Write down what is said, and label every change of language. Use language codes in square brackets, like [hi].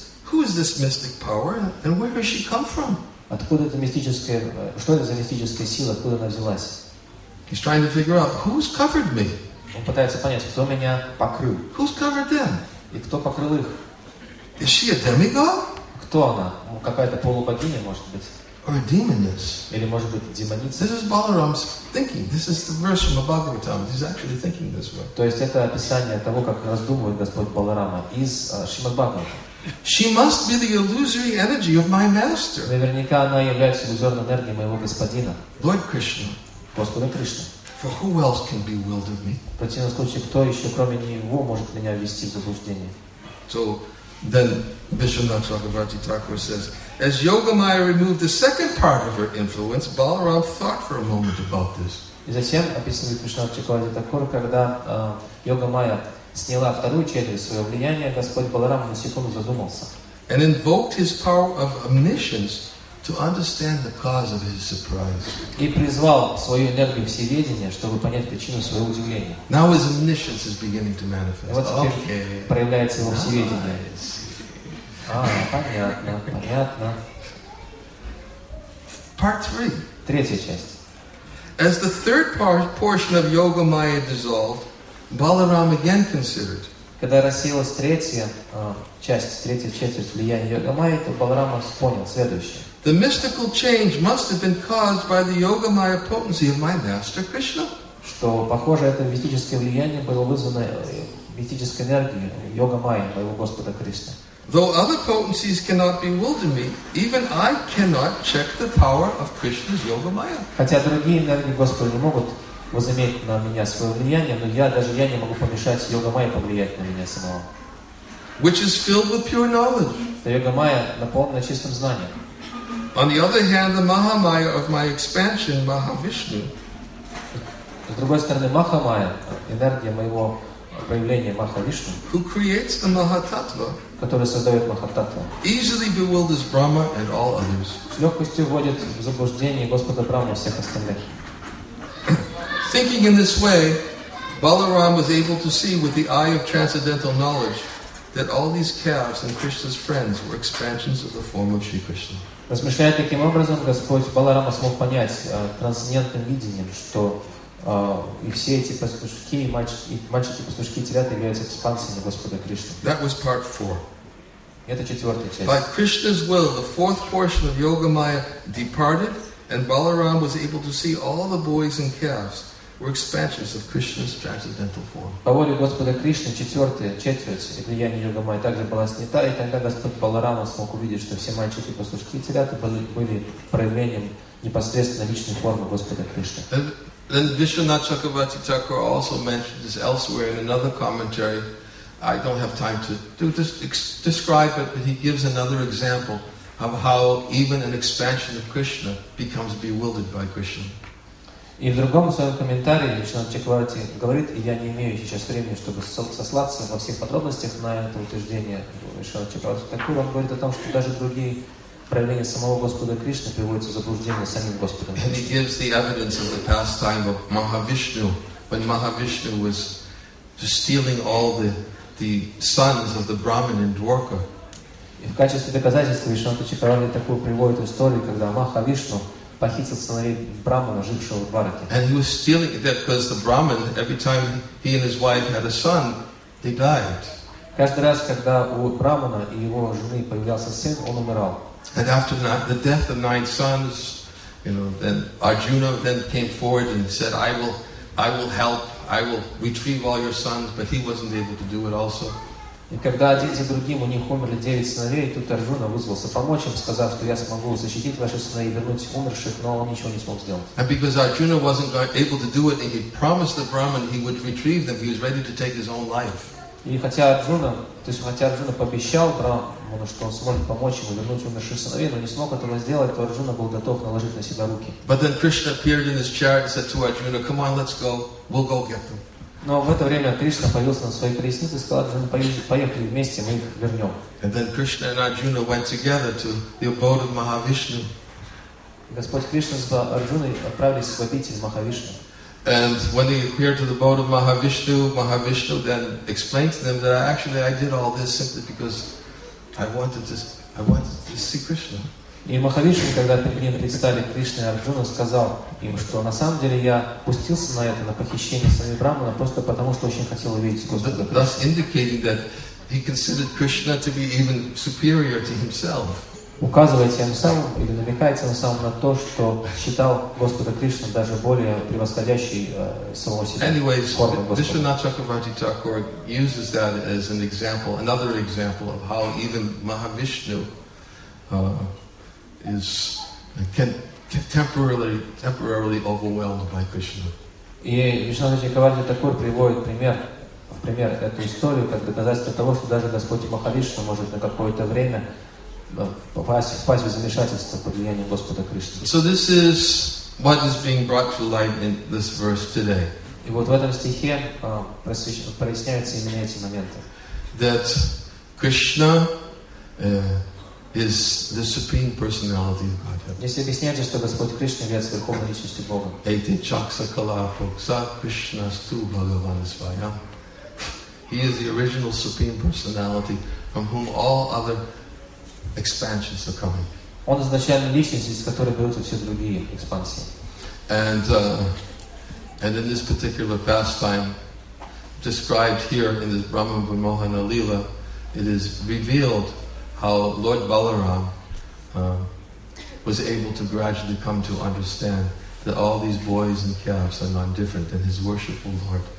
[en] Who is this mystic power, and where does she come from? [ru] Откуда эта мистическая, что это за мистическая сила, откуда она взялась? [en] He's trying to figure out who's covered me. [ru] Он пытается понять, кто меня покрыл. [en] Who's covered them? [ru] И кто покрыл их? [en] Is she a demigod? [ru] Кто она? Ну, какая-то полубогиня, может быть. [en] Or a demoness? [ru] Или может быть демоница? [en] This is Balaram's thinking. This is the verse from the Bhagavatam. He's actually thinking this way. [ru] То есть это описание того, как раздумывает Господь Баларама из Шримад Бхагаватам. [en] She must be the illusory energy of my master. [ru] Наверняка она является иллюзорной энергией моего господина. [en] Lord Krishna. [ru] Господа Кришна. [en] For who else can bewilder me? [ru] В противном случае, кто еще, кроме него, может меня ввести в заблуждение? [en] So then Vishwanath Chakravarti Thakur says, as Yoga Maya removed the second part of her influence, Balaram thought for a moment about this. [ru] И затем описывает Вишванатх Чакравати Такур, когда Йога Майя сняла вторую четверть своего влияния, Господь Баларама на секунду задумался. [en] And invoked his power of omniscience to understand the cause of his surprise. [ru] И призвал свою энергию всеведения, чтобы понять причину своего удивления. [en] Now his omniscience is beginning to manifest. [ru] Вот теперь проявляется его всеведение. Понятно. [en] Part three. [ru] Третья часть. [en] As the third portion of Yoga Maya dissolved, Balaram again considered. [ru] Когда рассеялась третья четверть влияния Йога Майи, то Баларама понял следующее. [en] The mystical change must have been caused by the Yoga Maya potency of my master Krishna. [ru] Что похоже, это мистическое влияние было вызвано мистической энергией Йога Майи моего господа Кришны. [en] Though other potencies cannot bewilder me, even I cannot check the power of Krishna's yoga maya. [ru] Хотя другие энергии Господа не могут возыметь на меня свое влияние, но я не могу помешать йога майе повлиять на меня самого. [en] Which is filled with pure knowledge. [ru] Йога майя наполнена чистым знанием. [en] On the other hand, the Mahamaya of my expansion, Mahavishnu. [ru] С другой стороны, Махамая, энергия моего проявления Махавишну, [en] who creates the Mahatattva, [ru] который создает Махататтва, [en] easily bewilders Brahma and all others. [ru] С легкостью вводит в заблуждение Господа Брахма и всех остальных. [en] Thinking in this way, Balaram was able to see with the eye of transcendental knowledge that all these calves and Krishna's friends were expansions of the form of Sri Krishna. [ru] Размышляя таким образом, Господь Баларама смог понять трансцендентным видением, что и все эти пастушки, и мальчики-пастушки, и телята являются экспансиями Господа Кришны. [en] That was part four. [ru] Это четвертая часть. [en] By Krishna's will, the fourth portion of Yoga Maya departed, and Balaram was able to see all the boys and calves were expansions of Krishna's transcendental form. [ru] По воле Господа Кришны, четвертая четверть влияния Йога Майя также была снята, и тогда Господь Баларама смог увидеть, что все мальчики, пастушки и телята были проявлением непосредственно личной формы Господа Кришны. [en] Then Vishwanath Chakravarti Thakur also mentioned this elsewhere in another commentary. I don't have time to describe it, but he gives another example of how even an expansion of Krishna becomes bewildered by Krishna. [ru] И в другом своем комментарии Вишванат Чакраварти говорит, и я не имею сейчас времени, чтобы сослаться во всех подробностях на это утверждение Вишванат Чакраварти Такур, он говорит о том, что даже другие проявления самого Господа Кришны приводятся в заблуждение самим Господом. [en] And he gives the evidence of the pastime of Mahavishnu, when Mahavishnu was stealing all the sons of the Brahmin in Dwarka. [ru] И в качестве доказательства Вишванат Чакраварти Такур приводит историю, когда Махавишну похитил сыновей брахмана, жившего в Двараке. [en] And he was stealing it because the brahmin, every time he and his wife had a son, they died. [ru] Каждый раз, когда у брахмана и его жены появлялся сын, он умирал. [en] And after the death of nine sons, you know, then Arjuna then came forward and said, "I will help. I will retrieve all your sons." But he wasn't able to do it also. [ru] И когда один за другим у них умерли 9 сыновей, тут Арджуна вызвался помочь им, сказав, что я смогу защитить ваших сыновей и вернуть умерших, но он ничего не смог сделать. [en] And because Arjuna wasn't able to do it, and he promised the Brahmin he would retrieve them, he was ready to take his own life. [ru] И хотя Арджуна, то есть хотя Арджуна пообещал Брахману, что он сможет помочь ему вернуть умерших сыновей, но не смог этого сделать, то Арджуна был готов наложить на себя руки. [en] But then Krishna appeared in his chariot and said to Arjuna, "Come on, let's go. We'll go get them." [ru] Но в это время Кришна появился на своей колеснице и сказал Арджуна, поехали вместе, мы их вернем. [en] And then Krishna and Arjuna went together to the abode of Mahavishnu. [ru] Господь Кришна с Арджуной отправились в обитель Махавишну. [en] And when they appeared to the abode of Mahavishnu, Mahavishnu then explained to them that actually I did all this simply because I wanted to see Krishna. [ru] И Махавишну, когда перед ним предстали Кришна и Арджуна, сказал им, что на самом деле я пустился на это, на похищение сами Брахмана, просто потому, что очень хотел увидеть Господа. [en] Thus indicating that he considered Krishna to be even superior to himself. [ru] Указывая тем самым, или намекая тем самым на то, что считал Господа Кришну даже более превосходящей самого себя. [en] Anyways, Vishwanath Chakravarti Thakur uses that as an example, another example of how even Mahavishnu is temporarily overwhelmed by Krishna. [ru] И Вишванат Чакраварти Такур приводит в пример эту историю как доказательство того, что даже Господь Махавишна может на какое-то время попасть в замешательство под влиянием Господа Кришны. [en] So this is what is being brought to light in this verse today. [ru] И вот в этом стихе проясняются именно эти моменты. [en] That Krishna is the supreme personality of Godhead. [ru] Если объясняется, что Господь Кришна является верховной личностью Бога. [sa] Эти чакса калапукса Кришна сту Бхагавансвая. [en] He is the original supreme personality from whom all other expansions are coming. [ru] Он изначальная личность, из которой берутся все другие экспансии. [en] And in this particular pastime described here in this Brahman Vimohana Lila, it is revealed how Lord Balaram was able to gradually come to understand that all these boys and calves are none different than his worshipful Lord.